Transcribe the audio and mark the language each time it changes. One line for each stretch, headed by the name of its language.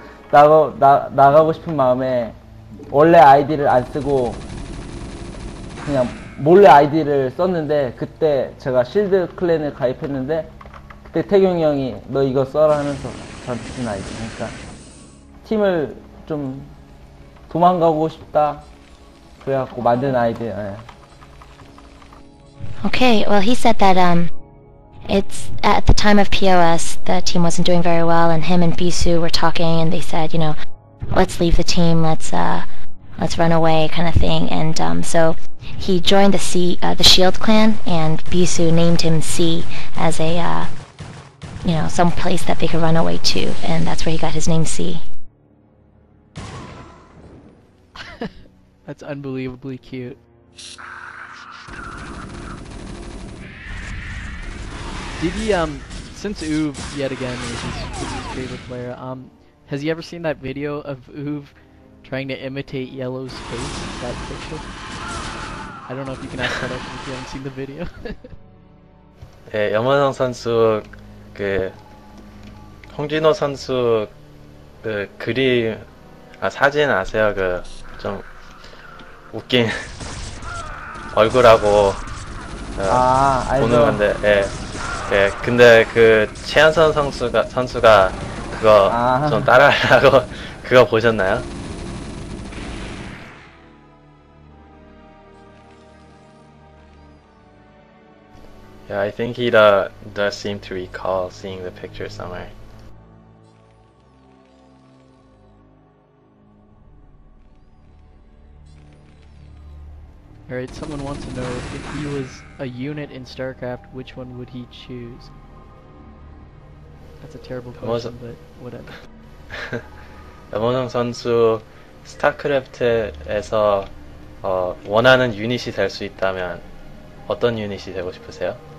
Korean: 나가고 싶은 마음에 원래 아이디를 안 쓰고 그냥 몰래 아이디를 썼는데 그때 제가 실드 클랜을 가입했는데 그때 태경이 형이 너 이거 써라 하면서 저한테 준 아이디 그러니까 팀을 좀 도망가고 싶다 그래갖고 만든 아이디 네.
English: Okay, well he said that it's at the time of POS the team wasn't doing very well and him and Bisu were talking and they said you know let's leave the team let's run away kind of thing and so he joined the Shield Clan and Bisu named him C as a you know some place that they could run away to and that's where he got his name C. That's unbelievably cute. Did he, since Uv yet again is his favorite player, has he ever seen that video of Uv trying to imitate Yellow's face, that picture? I don't know if you can ask that question if you haven't seen the video.
Korean: 네, 염원성 선수 그 홍진호 선수 그 그림 아 사진 아세요? 그 좀 웃긴 얼굴하고 아, 보는 알죠. 건데 예. 예. 근데 그 최연선 선수가 그거 아. 좀 따라하라고 그거 보셨나요?
English: 예, I think he does seem to recall seeing the picture somewhere. Alright, someone wants to know, if he was a unit in StarCraft, which one would he choose? That's a terrible question, but whatever.
Korean: 염원성 선수, 스타크래프트에서 원하는 유닛이 될 수 있다면 어떤 유닛이 되고 싶으세요?